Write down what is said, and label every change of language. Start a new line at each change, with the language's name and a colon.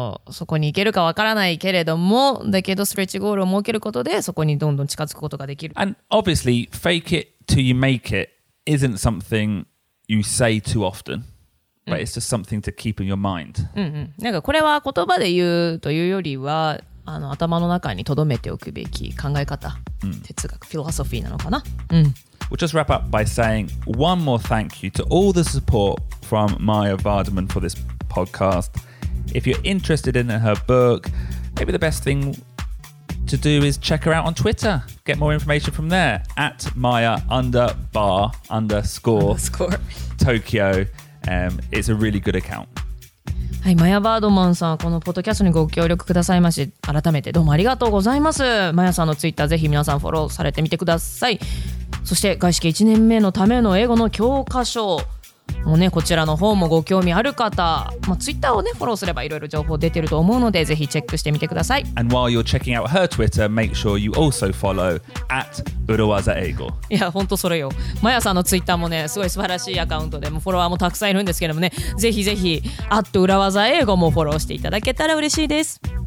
Japanese: そこに行けるかわからないけれども、だけどストレッチゴールを設けることでそこにどんどん近づくことができる。
English: And obviously, fake it till you make it isn't something you say too often. But it's just something to keep in your mind.
Japanese: なんかこれは言葉で言うというよりは、頭の中に留めておくべき考え方、哲学、フィロソフィーなのかな。
English: We'll just wrap up by saying one more thank you to all the support from Maya Vardaman for this podcast. If you're interested in her book, maybe the best thing to do is check her out on Twitter. Get more information from there at Maya_Tokyo. It's a really good account.
Japanese: はい、マヤ・バードマンさん、このポッドキャストにご協力くださいまし、改めてどうもありがとうございます。マヤさんのツイッター、ぜひ皆さんフォローされてみてください。そして、外資系1年目のための英語の教科書もね、こちらの方もご興味ある方、まあ、ツイッターをね、フォローすればいろいろ情報出てると思うので、ぜひチェックしてみてください。
English: And while you're checking out her Twitter, make sure you also follow at Urowaza Eigo.
Japanese: いや、本当それよ。マヤさんのツイッターもね、すごい素晴らしいアカウントで、もうフォロワーもたくさんいるんですけどもね、ぜひぜひ、at Urowaza Eigo もフォローしていただけたら嬉しいです。